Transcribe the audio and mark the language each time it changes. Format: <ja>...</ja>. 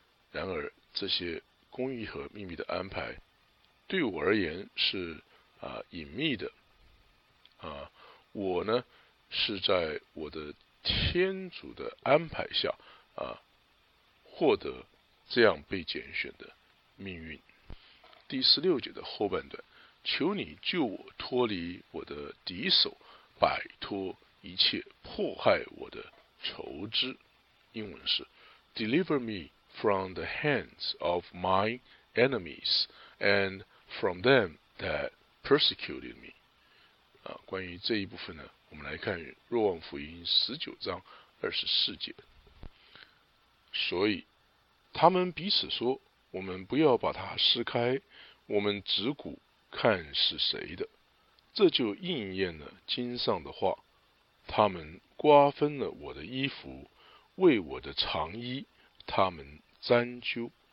<zh>然而这些公义和秘密的安排对我而言是隐秘的我呢是在我的天主的安排下获得这样被拣选的命运。第十六节的后半段，求你救我脱离我的敌手，摆脱一切迫害我的仇之。英文是</zh> <en>Deliver me from the hands of my enemies and from them that persecuted me.</en> <zh>关于这一部分呢，我们来看若望福音19章24节。所以他们彼此说，我们不要把它撕开，我们指骨看是谁的。这就应验了经上的话，他们瓜分了我的衣服，为我的长衣他们沾揪。</zh>